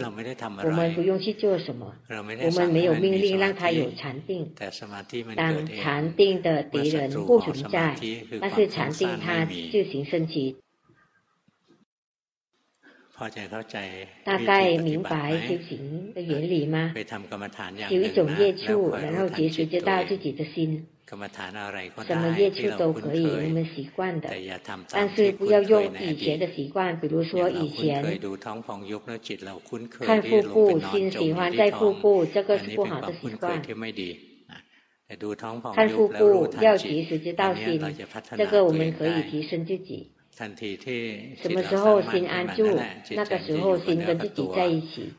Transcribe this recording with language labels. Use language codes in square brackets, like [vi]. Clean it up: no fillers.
[zh] 我们不用去做什么，我们没有命令让它有禅定。当禅定的敌人不存在，但是禅定它自行升起。 [th] พอจะเข้าใจ [zh] 大概明白修行的原理吗？ [th] ไปทำกรรมฐานอย่าง ไรบ้างแล้วคอยรู้ทันจิตตัวเอง [zh] 然后及时知道自己的心 [th] กรรมฐานอะไรก็ได้ [zh] 什么业处都可以我们习惯的 [th] แต่อย่าทำตาม แต่ [zh] 是不要用以前的习惯比如说以前 [th] ดูท้องพองยุบแล้วจิตเราคุ้นเคย [zh] 看腹部心喜欢在腹部这个是不好的习惯 [th] ที่ไม่ดีแต่ดูท้องพองยุบ [zh] 看腹部要及时知道心这个我们可以提升自己 [th] ทันทีที่ [zh] 什么时候心安住那个时候心跟自己在一起